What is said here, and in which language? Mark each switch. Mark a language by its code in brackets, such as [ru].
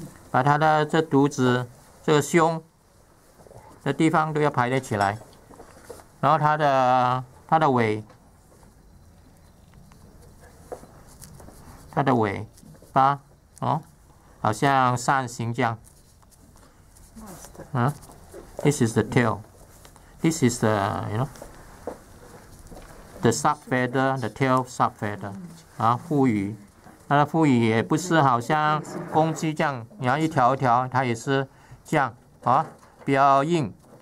[zh] 把他的这肚子、这个胸的地方都要排列起来，然后他的尾，他的尾巴好像扇形这样。 [en] This is the tail. This is the the sub feather, the tail sub feather. [zh] 腹羽。它的腹羽也不是好像公鸡这样，你要一条一条，它也是这样比较硬。